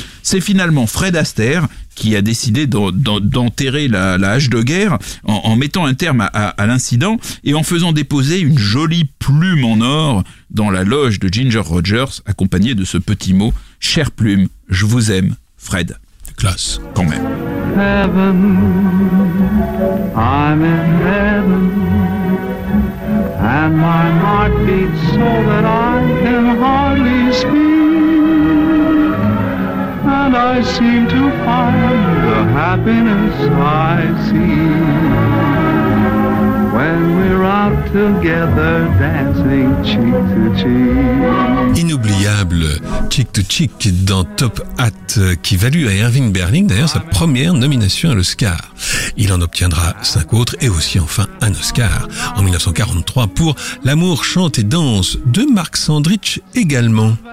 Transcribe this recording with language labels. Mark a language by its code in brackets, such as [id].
[fr] C'est finalement Fred Astaire qui a décidé d'enterrer la hache de guerre en mettant un terme à l'incident et en faisant déposer une jolie plume en or dans la loge de Ginger Rogers, accompagnée de ce petit mot « Chère plume, je vous aime, Fred ». Classe. Quand même. [en] Heaven, I'm in heaven, and my heart beats so that I can hardly speak, and I seem to find the happiness I seek when we're out together dancing cheek to cheek. [fr] Inoubliable Cheek to Cheek dans Top Hat, qui valut à Irving Berlin d'ailleurs sa première nomination à l'Oscar. Il en obtiendra 5 autres et aussi enfin un Oscar en 1943 pour L'amour chante et danse de Marc Sandrich également.